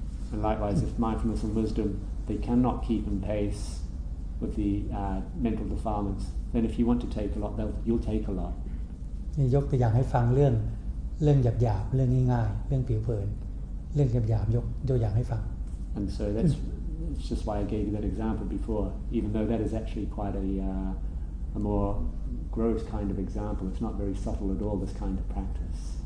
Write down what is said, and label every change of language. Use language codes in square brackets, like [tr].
[en] And likewise, if mindfulness and wisdom they cannot keep in pace with the mental defilements, then if you want to take a lot, you'll take a lot. [th] ยกตัวอย่างให้ฟังเรื่องหยาบๆเรื่องง่ายๆเรื่องผิวเผินเรื่องหยาบๆยกอย่างให้ฟัง [en] And so that's. It's just why I gave you that example before, even though that is actually quite a more gross kind of example. It's not very subtle at all, this kind of practice.